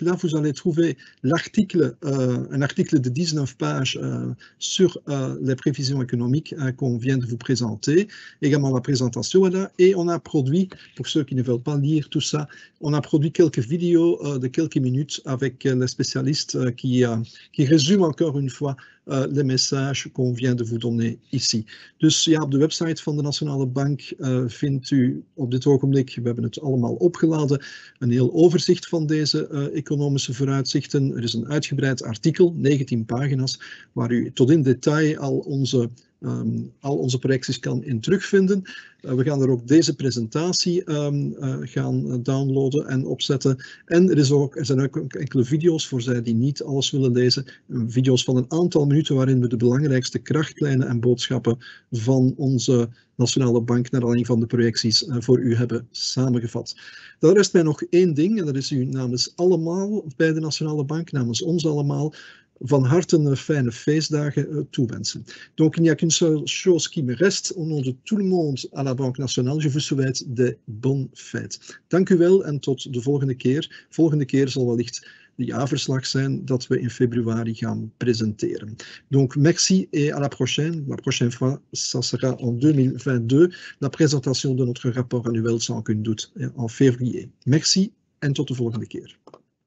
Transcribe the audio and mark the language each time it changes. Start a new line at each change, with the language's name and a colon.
French: Là, vous allez trouver l'article, un article de 19 pages sur les prévisions économiques qu'on vient de vous présenter. Également, la présentation est là. Et on a produit, pour ceux qui ne veulent pas lire tout ça, on a produit quelques vidéos de quelques minutes avec les spécialistes qui résument encore une fois les messages qu'on vient de vous donner ici.
Dutch: Dus ja, op de website van de Nationale Bank vindt u op dit ogenblik, we hebben het allemaal opgeladen, een heel overzicht van deze economische vooruitzichten. Er is een uitgebreid artikel, 19 pagina's, waar u tot in detail al onze projecties kan in terugvinden. We gaan er ook deze presentatie gaan downloaden en opzetten. En er zijn ook enkele video's voor zij die niet alles willen lezen. Video's van een aantal minuten waarin we de belangrijkste krachtlijnen en boodschappen van onze Nationale Bank naar aanleiding van de projecties voor u hebben samengevat. Dan rest mij nog één ding en dat is u namens allemaal bij de Nationale Bank, namens ons allemaal, van harte een fijne feestdagen toewensen.
French: Donc, il n'y a qu'une seule chose qui me reste. Au nom de tout le monde à la Banque Nationale, je vous souhaite des bonnes fêtes.
Dutch: Dank u wel en tot de volgende keer. Volgende keer zal wellicht de jaarverslag zijn dat we in februari gaan presenteren.
French: Donc, merci et à la prochaine. La prochaine fois, ça sera en 2022, la présentation de notre rapport annuel sans aucun doute en février. Merci
Dutch: en tot de volgende keer.